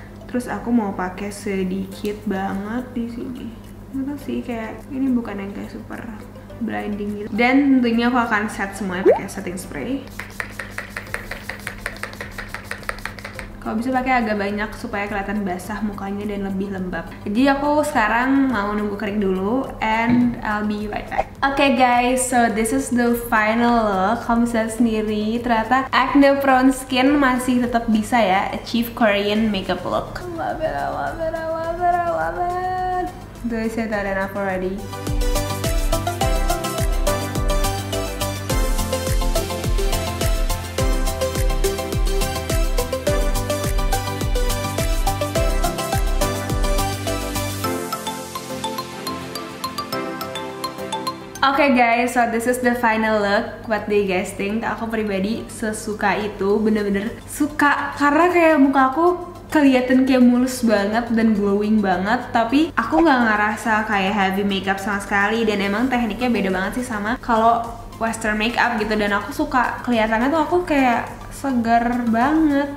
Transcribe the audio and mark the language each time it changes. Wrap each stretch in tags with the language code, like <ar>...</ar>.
<id>Terus aku mau pakai sedikit banget di sini. Gak tau sih, kayak ini bukan yang kayak super blinding gitu. Dan tentunya aku akan set semuanya pakai setting spray. Kalau bisa pakai agak banyak supaya kelihatan basah mukanya dan lebih lembab. Jadi aku sekarang mau nunggu kering dulu</id> <en>and I'll be right back. Okay guys, so this is the final look.</en> <id>Kamu bisa sendiri ternyata acne prone skin masih tetap bisa ya</id> <en>achieve Korean makeup look. Love it, I love it, I love it, I love it. Do I say that enough already? Okay guys, so this is the final look. What do you guys think?</en> <id>Aku pribadi sesuka itu, bener-bener suka. Karena kayak muka aku kelihatan kayak mulus banget dan glowing banget, tapi aku gak ngerasa kayak heavy makeup sama sekali. Dan emang tekniknya beda banget sih sama kalau western makeup gitu. Dan aku suka kelihatannya tuh aku kayak segar banget.</id>